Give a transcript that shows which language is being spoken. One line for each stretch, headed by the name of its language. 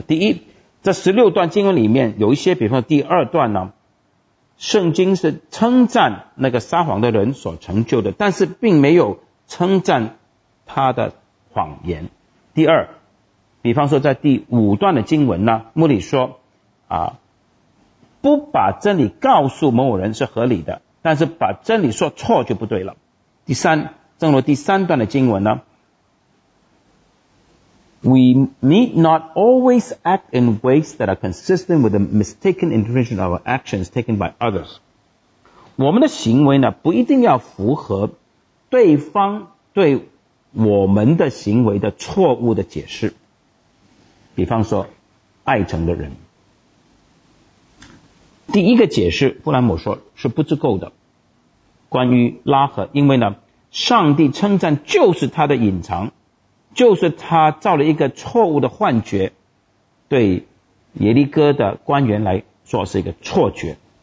Chinese: 第一，这16段经文里面有一些，比方说第二段呢，圣经是称赞那个撒谎的人所成就的，但是并没有称赞他的谎言。第二，比方说在第5段的经文呢，穆里说不把真理告诉某某人是合理的，但是把真理说错就不对了。第三，正如第3段的经文呢，
English: We need not always act in ways that are consistent with the mistaken interpretation of our actions taken by others。
Chinese: 我们的行为呢不一定要符合对方对我们的行为的错误的解释。比方说爱城的人第一个解释布兰姆说是不足够的，关于拉合，因为呢上帝称赞就是他的隐藏，就是他造了一个错误的幻觉，对耶利哥的官员来说是一个错觉。